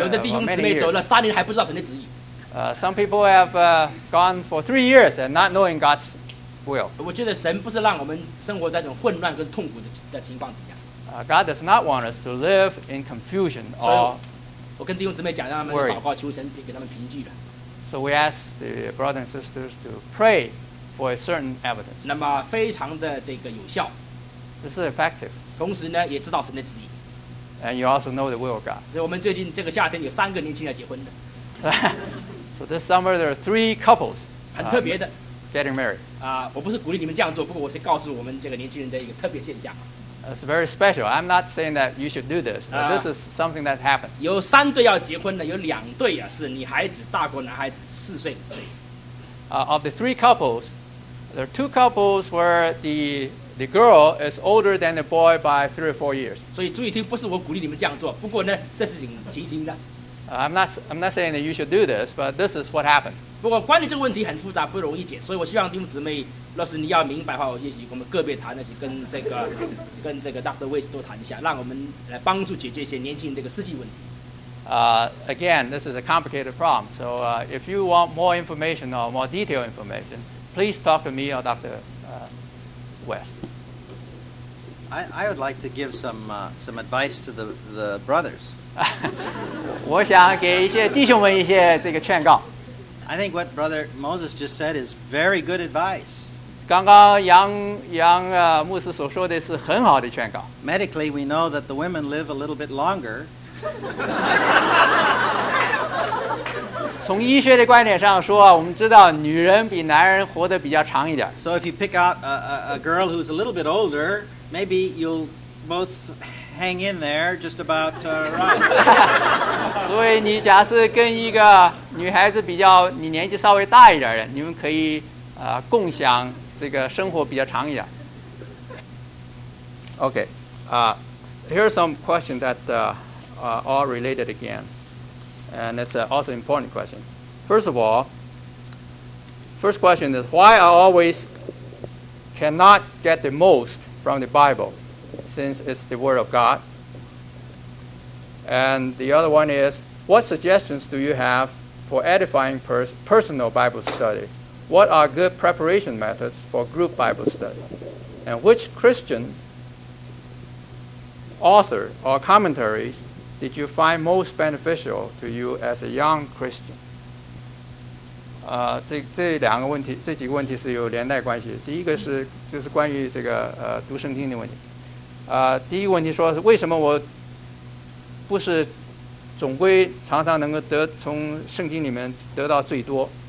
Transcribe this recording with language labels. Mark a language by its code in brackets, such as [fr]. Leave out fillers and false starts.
[zh] 有的弟兄姊妹走了三年还不知道神的旨意。 [en] Some people have gone for 3 years and not knowing God's will. [zh] 我觉得神不是让我们生活在这种混乱跟痛苦的情况底下。 [en] God does not want us to live in confusion or worry. [zh] 我跟弟兄姊妹讲，让他们祷告求神给他们凭据的。 [en] So we ask the brothers and sisters to pray for a certain evidence. [zh] 那么非常的这个有效。 [en] This is effective. [zh] 同时呢，也知道神的旨意。 [en] And you also know the will of God. [zh] 所以我们最近这个夏天有三个年轻人结婚的。 [en] So this summer there are three couples, [zh] 很特别的 [en] getting married. [zh] 我不是鼓励你们这样做，不过我是告诉我们这个年轻人的一个特别现象。 [en] It's very special. I'm not saying that you should do this, but this is something that happened. [zh] 有三对要结婚的，有两对啊是女孩子大过男孩子4岁。 [en] Of the three couples, there are two couples where the girl is older than the boy by 3 or 4 years. [zh] 所以注意听，不是我鼓励你们这样做，不过呢，这是提醒的。 [en] I'm not saying that you should do this, but this is what happened. [zh] 不过关于这个问题很复杂，不容易解，所以我希望弟兄姊妹，若是你要明白的话，也许我们个别谈，而且跟这个 Dr. Weiss 多谈一下，让我们来帮助解决一些年轻人这个实际问题。 [en] Again, this is a complicated problem. So if you want more information or more detailed information, please talk to me or Dr. West. I would like to give some advice to the brothers. [zh] 我想给一些弟兄们一些这个劝告。 [en] I think what Brother Moses just said is very good advice. [zh] 刚刚杨牧师所说的是很好的劝告。 [en] Medically, we know that the women live a little bit longer. 从医学的观点上说，我们知道女人比男人活得比较长一点。 So if you pick out a girl who's a little bit older, maybe you'll both hang in there just about right. [zh] 所以你假设跟一个女孩子比较，你年纪稍微大一点的，你们可以共享这个生活比较长一点。 [en] Okay, here are some questions that are all related again, and it's also an important question. First of all, first question is why I always cannot get the most from the Bible, since it's the Word of God. And the other one is, what suggestions do you have for edifying personal Bible study? What are good preparation methods for group Bible study? And which Christian author or commentaries did you find most beneficial to you as a young Christian? [zh] 这两个问题，这几个问题是有连带关系。第一个是就是关于这个读圣经的问题。第一个问题说为什么我不是总归常常能够从圣经里面得到最多。